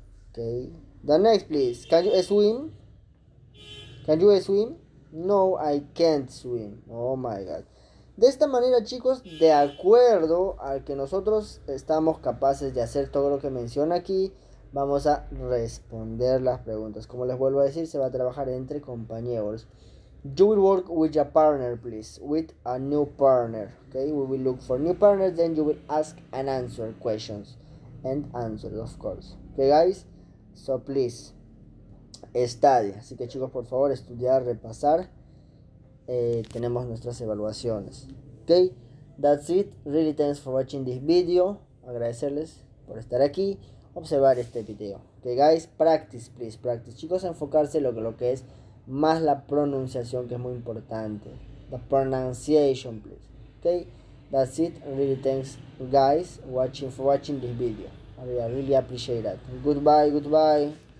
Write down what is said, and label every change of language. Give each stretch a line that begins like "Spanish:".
English: Ok, the next, please, can you swim? Can you swim? No, I can't swim, oh my God.
Spanish: De esta manera, chicos, de acuerdo al que nosotros estamos capaces de hacer todo lo que menciona aquí, vamos a responder las preguntas. Como les vuelvo a decir, se va a trabajar entre compañeros.
English: You will work with a partner, please. With a new partner. Okay, we will look for new partners, then you will ask and answer questions. And answer, of course. Okay, guys? So please. Estadia.
Spanish: Así que chicos, por favor, estudiar, repasar. Tenemos nuestras evaluaciones.
English: Ok, that's it. Really thanks for watching this video.
Spanish: Agradecerles por estar aquí, observar este video.
English: Ok, guys, practice, please, practice.
Spanish: Chicos, enfocarse en lo que es más la pronunciación, que es muy importante.
English: The pronunciation, please. Ok, that's it. Really thanks, guys, watching for watching this video. I really appreciate that. Goodbye, goodbye.